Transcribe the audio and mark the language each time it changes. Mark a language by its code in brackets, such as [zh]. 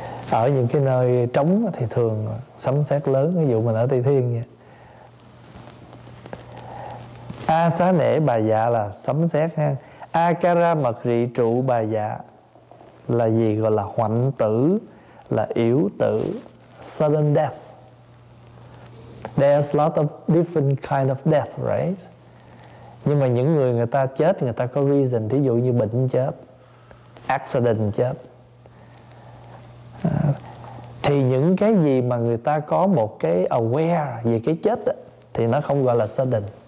[vi] Ở những cái nơi trống thì thường sấm sét lớn, ví dụ mình ở Tây Thiên nha. A xá nể bà dạ là sấm sét ha. A kara mật rị trụ bà dạ là gì? Gọi là hoạnh tử, là yếu tử, [en] sudden death. There's a lot of different kind of death, right? [vi] Nhưng mà những người người ta chết, người ta có reason, thí dụ như bệnh chết, accident chết. Thì những cái gì mà người ta có một cái aware về cái chết đó, thì nó không gọi là sudden.